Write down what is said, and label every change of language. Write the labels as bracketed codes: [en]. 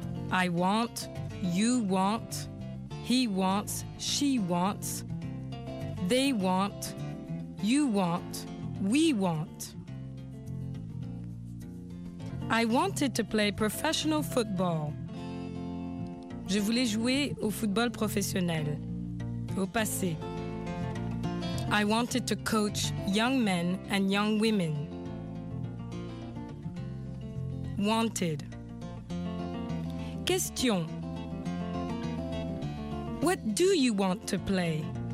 [en] I want, you want, he wants, she wants, they want, you want, we want. I wanted to play professional football. [fr] Je voulais jouer au football professionnel. Au passé. [en] I wanted to coach young men and young women. Wanted. Question. What do you want to play?